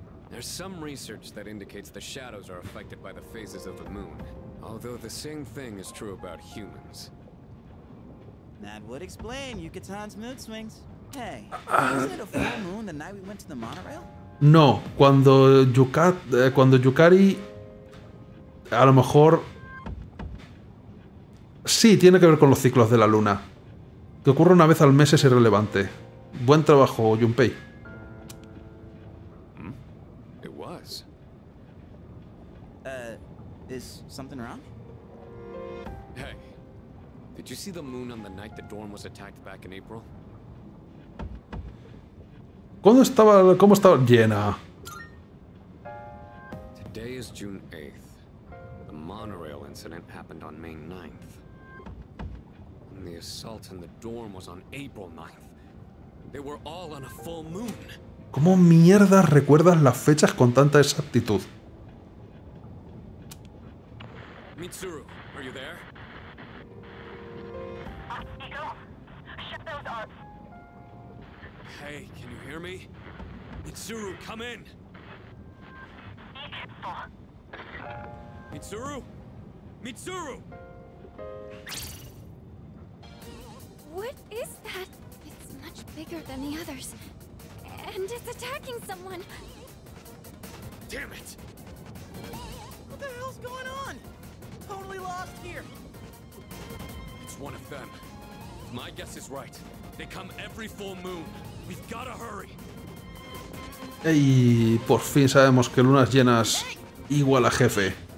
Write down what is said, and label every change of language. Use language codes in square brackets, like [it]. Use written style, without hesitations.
[en] There's some research that indicates the shadows are affected by the phases of the moon. Although the same thing is true about humans. That would explain Yucatan's mood swings. Hey, wasn't it a full moon the night we went to the monorail? [es] No, cuando Yukari a lo mejor sí, tiene que ver con los ciclos de la luna. Que ocurre una vez al mes es irrelevante. Buen trabajo, Junpei. [en] It was. Is something wrong? Hey. Did you see the moon on the night the dorm was attacked back in April? [es] ¿Cuándo estaba? ¿Cómo estaba? Llena. [en] Today is June 8th. The monorail incident happened on May 9th. And the assault in the dorm was on April 9th. They were all on a full moon. [es] ¿Cómo mierda recuerdas las fechas con tanta exactitud? [en] Mitsuru, are you there? Hey, can you hear me? Mitsuru, come in. Mitsuru? Mitsuru! What is that? It's much bigger than the others. And it's attacking someone. Damn it! What the hell's going on? Totally lost here. It's one of them. If my guess is right, they come every full moon. We've gotta hurry. [es] Ey, por fin sabemos que lunas llenas igual a jefe.